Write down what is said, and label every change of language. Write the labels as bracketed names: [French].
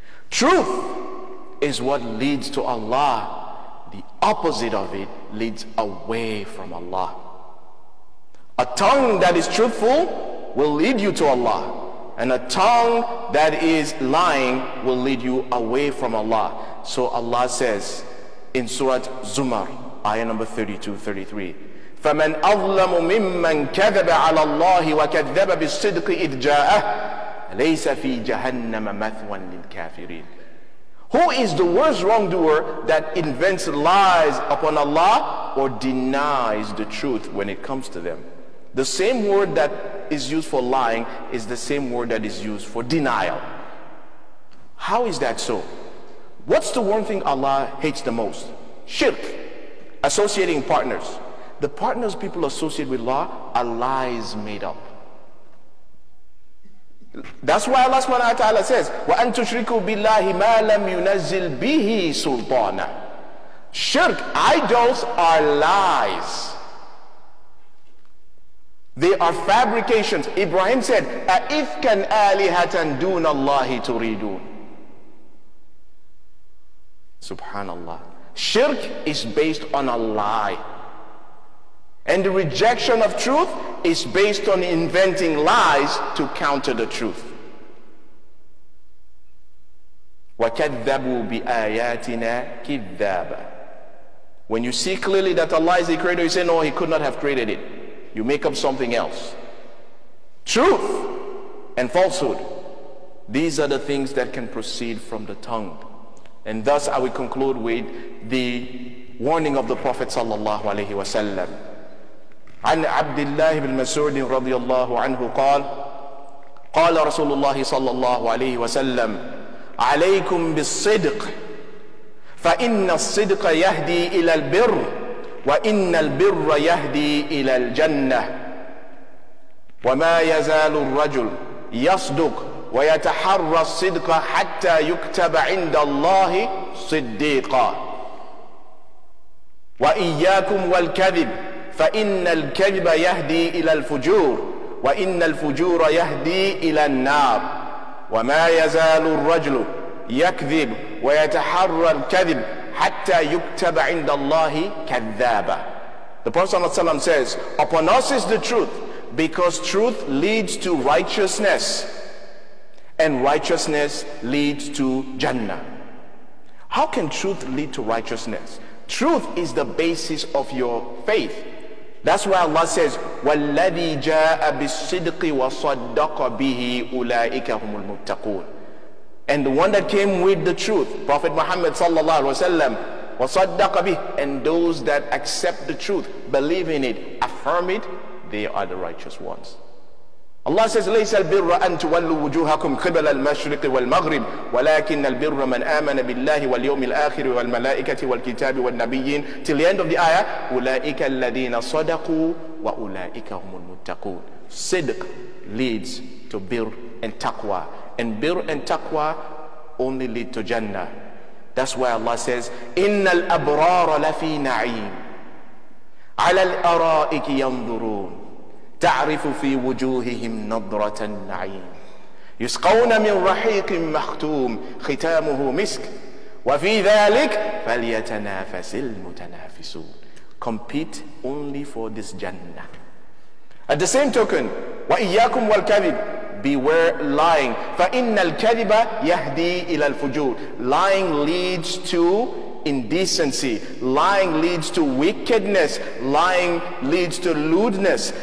[English] Truth is what leads to Allah. The opposite of it leads away from Allah. A tongue that is truthful will lead you to Allah, and a tongue that is lying will lead you away from Allah. So Allah says in Surah Zumar, ayah number 32-33, [Arabic] فَمَنْ أَظْلَمُ مِمَّنْ كَذَبَ عَلَى اللَّهِ وَكَذَّبَ بِالصِّدْقِ إِذْ جَاءَهُ لَيْسَ فِي جَهَنَّمَ مَثْوًا لِلْكَافِرِينَ. [English] Who is the worst wrongdoer that invents lies upon Allah or denies the truth when it comes to them? The same word that is used for lying is the same word that is used for denial. How is that so? What's the one thing Allah hates the most? Shirk, associating partners. The partners people associate with Allah are lies made up. That's why Allah subhanahu wa ta'ala says, [Arabic] وَأَنْ تُشْرِكُوا بِاللَّهِ مَا لَمْ يُنَزِّلْ بِهِ سُلْطَانًا. [English] Shirk, idols are lies. They are fabrications. Ibrahim said, [Arabic] أَإِفْكَنْ آلِهَةً دُونَ اللَّهِ تُرِيدُونَ. [English] Subhanallah. Shirk is based on a lie. And the rejection of truth is based on inventing lies to counter the truth. [Arabic] وَكَذَّبُوا بِآيَاتِنَا كِذَّابًا. [English] When you see clearly that Allah is the creator, you say, no, He could not have created it. You make up something else. Truth and falsehood, these are the things that can proceed from the tongue. And thus I will conclude with the warning of the Prophet sallallahu alaihi wasallam. [Arabic] عن عبد الله بن مسعود رضي الله عنه قال قال رسول الله صلى الله عليه وسلم عليكم بالصدق فإن الصدق يهدي إلى البر وإن البر يهدي إلى الجنة وما يزال الرجل يصدق ويتحرى الصدق حتى يكتب عند الله صديقا وإياكم والكذب فَإِنَّ الْكَذِبَ يَهْدِي إِلَى الْفُجُورِ وَإِنَّ الْفُجُورَ يَهْدِي إِلَى النَّارِ وَمَا يَزَالُ الرَّجْلُ يَكْذِبُ وَيَتَحَرَّى الْكَذِبُ حَتَّى يُكْتَبَ عِنْدَ اللَّهِ كَذَّابًا. [English] The Prophet ﷺ says, upon us is the truth, because truth leads to righteousness, and righteousness leads to Jannah. How can truth lead to righteousness? Truth is the basis of your faith. That's why Allah says, [Arabic] وَالَّذِي جَاءَ بِالصِّدْقِ وَصَدَّقَ بِهِ أُولَٰئِكَ هُمُ الْمُتَّقُونَ. [English] And the one that came with the truth, Prophet Muhammad sallallahu alaihi wasallam, [Arabic] وَصَدَّقَ بِهِ, [English] and those that accept the truth, believe in it, affirm it, they are the righteous ones. Allah says, [Arabic] لَيْسَ الْبِرَّ أَن تُوَلُّوا وُجُوهَكُمْ قِبَلَ الْمَشْرِقِ وَالْمَغْرِبِ وَلَكِنَّ الْبِرَّ مَنْ آمَنَ بِاللَّهِ وَالْيَوْمِ الْآخِرِ وَالْمَلَائِكَةِ وَالْكِتَابِ وَالنَّبِيِّينَ. [English] Till the end of the ayah, [Arabic] أُولَٰئِكَ الَّذِينَ صَدَقُوا وَأُولَٰئِكَ هُمُ الْمُتَّقُونَ. [English] Sidq leads to birr and taqwa. And birr and taqwa only lead to Jannah. That's why Allah says, [Arabic] إِنَّ الْأَبْرَارَ لَفِي نَعِيمٍ عَلَى الْأَرَائِكِ يَنْظُرُونَ تَعْرِفُ فِي وُجُوهِهِمْ نَضْرَةَ النَّعِيمِ يُسْقَوْنَ مِنْ رَحِيقٍ مَخْتُومٍ خِتَامُهُ مِسْكٍ وَفِي ذَلِكَ فَلْيَتَنَافَسِ الْمُتَنَافِسُونَ. [English] Compete only for this Jannah. At the same token, [Arabic] وَإِيَّاكُمْ وَالْكَذِبِ, [English] beware lying. [Arabic] فَإِنَّ الْكَذِبَ يَهْدِي إِلَى الْفُجُورِ. [English] Lying leads to indecency. Lying leads to wickedness. Lying leads to lewdness.